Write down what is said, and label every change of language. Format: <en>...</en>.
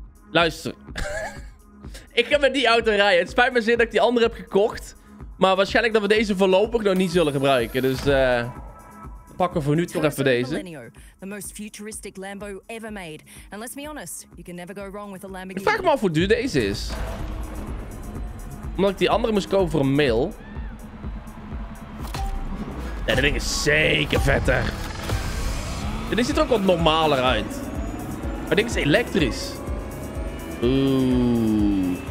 <nl>Luister. Ik ga met die auto rijden. Het spijt me zeer dat ik die andere heb gekocht. Maar waarschijnlijk dat we deze voorlopig nog niet zullen gebruiken. Dus pakken we voor nu toch even deze.</nl> <en>The most futuristic Lambo ever made. And let's be honest, you can never go wrong with a Lamborghini.</en> <nl>Vraag me af hoe duur deze is. Omdat ik die andere moest kopen voor een mail. Ja, dat ding is zeker vetter. Ja, dit ziet er ook wat normaler uit. Maar dit is elektrisch. Oeh.</nl>